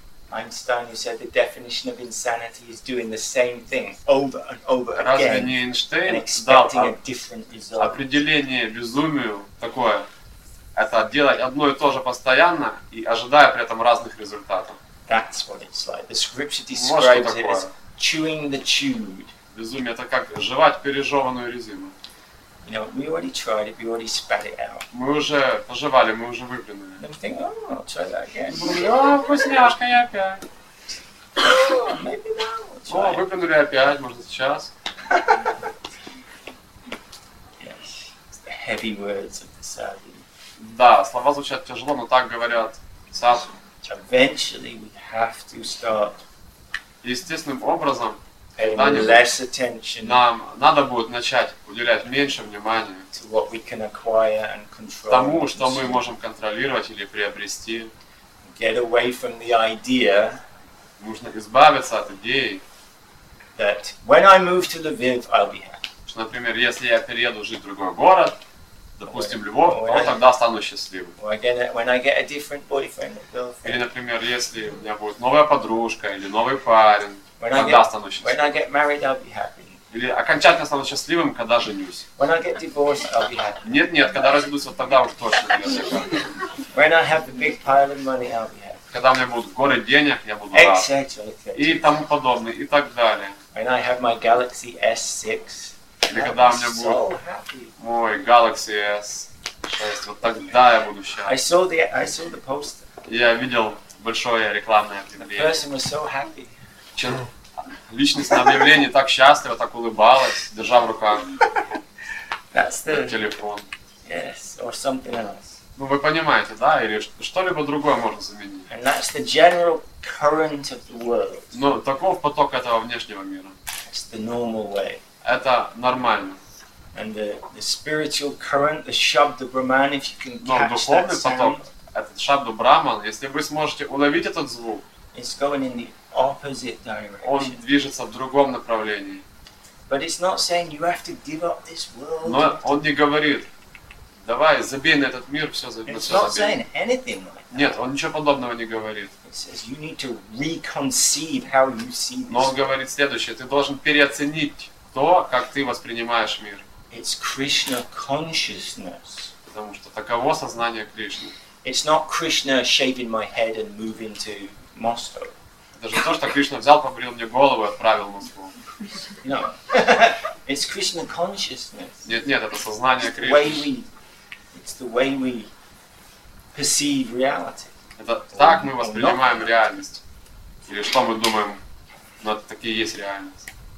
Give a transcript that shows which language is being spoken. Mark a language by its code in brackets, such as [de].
[en] Einstein, who said the definition of insanity is doing the same thing over and over again. [ru] Разве не Эйнштейн дал определение безумию такое? Это делать одно и то же постоянно и ожидая при этом разных результатов. [en] That's what it's like. The scripture describes it as chewing the chewed. [ru] Безумие — это как жевать пережеванную резину. [en] You know, we already tried it, we already spat it out. [ru] Мы уже пожевали, мы уже выплюнули. [en] Then we think, oh, I'll try that again. [ru] О, вкусняшка, я опять. [en] Maybe now we'll try it. [ru] О, выплюнули опять, может, сейчас. [en] Yes, it's the heavy words of the sadhu. [ru] Да, слова звучат тяжело, но так говорят сасу. [en] Eventually we have to start. [ru] Естественным образом. [en] Paying less attention. [ru] Нам надо будет начать уделять меньше внимания [en] to what we can acquire and control. [ru] Тому, что мы можем контролировать или приобрести. [en] Get away from the idea. [ru] Нужно избавиться от идеи. [en] That when I move to Lviv, I'll be happy. [ru] Что, например, если я перееду жить в другой город, допустим, Львов, то тогда стану счастливым. [en] When I get a different boyfriend or girlfriend. [ru] Или, например, если у меня будет новая подружка или новый парень. [en] When I get married, I'll be happy. [ru] Или окончательно стану счастливым, когда женюсь. [en] When I get divorced, I'll be happy. [ru] Нет, нет, когда разведусь, вот тогда уж точно. [en] When I have a big pile of money, I'll be happy. [ru] Когда у меня будут горы денег, я буду рад. И тому подобное, и так далее. [en] When I have my Galaxy S6, [ru] или когда у меня будет мой Galaxy S6, вот тогда я буду счастлив. [en] I saw the poster. [ru] Я видел большое рекламное объявление. [en] The person was so happy. [ru] Личность на объявлении так счастлива, так улыбалась, держа в руках телефон. [en] Yes, or something else. [ru] Ну, вы понимаете, да? Или что-либо другое можно заменить. [en] And that's the general current of the world. [ru] Ну, таков поток этого внешнего мира. [en] It's the normal way. [ru] Это нормально. [en] And the spiritual current, the Shabda Brahman, if you can catch that sound. [ru] Но духовный поток, этот Шабду Брахман, если вы сможете уловить этот звук, [en] it's going in the opposite direction. [ru] Он движется в другом направлении. [en] But it's not saying you have to give up this world. [ru] Но он не говорит: давай забей на этот мир, все забей. [en] It's not saying anything like that. [ru] Нет, он ничего подобного не говорит. [en] It says you need to reconceive how you see this. [ru] Но он говорит следующее: ты должен переоценить то, как ты воспринимаешь мир. [en] It's Krishna consciousness. [ru] Потому что таково сознание Кришны. [en] It's not Krishna shaving my head and moving to Moscow. [ru] Даже то, что Кришна взял, побрил мне голову и отправил в Москву. [en] No. It's Krishna consciousness. [ru] Нет, нет, это сознание [en] Кришны. It's the way we perceive reality. [ru] Это так мы воспринимаем реальность. Или что мы думаем, но это такие есть реальность.